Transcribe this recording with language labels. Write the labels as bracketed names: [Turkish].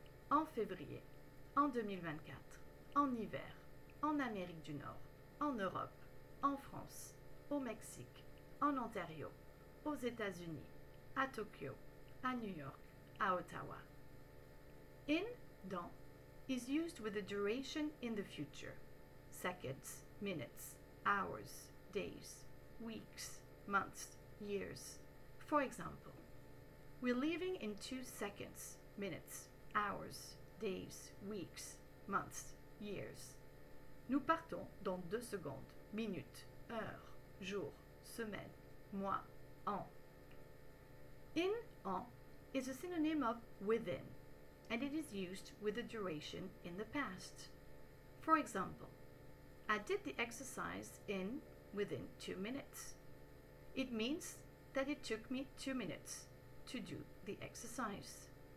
[French] En février, en 2024, en hiver, en Amérique du Nord, en Europe, en France, au Mexique, en Ontario, aux États-Unis, à Tokyo, à New York, à Ottawa. [English] In, dans, is used with a duration in the future. Seconds, minutes, hours, days, weeks, months, years. For example, we're leaving in 2 seconds, minutes, hours, days, weeks, months, years. [French] Nous partons dans 2 secondes, minutes, heures, jours, semaines, mois, ans. [English] In, en, is a synonym of within, and it is used with a duration in the past. For example, I did the exercise in, within 2 minutes. It means that it took me 2 minutes to do the exercise.